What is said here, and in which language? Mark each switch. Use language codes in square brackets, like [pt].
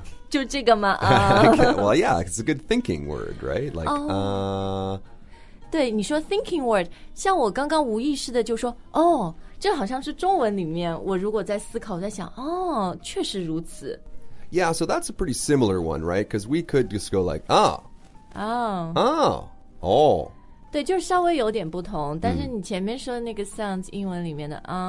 [zh] 就这个吗、 [en] Well, yeah, it's a good thinking word, right? Like,、 [zh] 对，你说 thinking word, 像我刚刚无意识的就说，哦，这好像是中文里面，我如果在思考，在想，哦，确实如此。 [en] Yeah, so that's a pretty similar one, right? Because we could just go like, oh. [zh] 对，就稍微有点不同，但是你前面说的那个 sounds 英文里面的